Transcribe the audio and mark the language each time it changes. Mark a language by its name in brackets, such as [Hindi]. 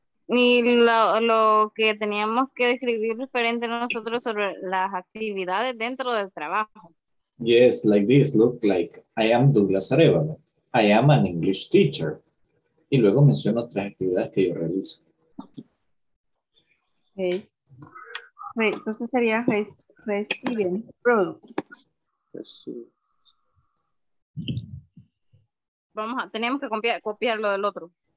[Spanish] Y lo que teníamos que describir referente a nosotros sobre las actividades dentro del trabajo. [English] Yes, like this, look like, I am Douglas Arevalo. I am an English teacher. [Spanish] Y luego menciono tres actividades que yo realizo. Okay. Entonces sería [English] receiving products. [Spanish] Vamos a, tenemos que copiar lo del otro.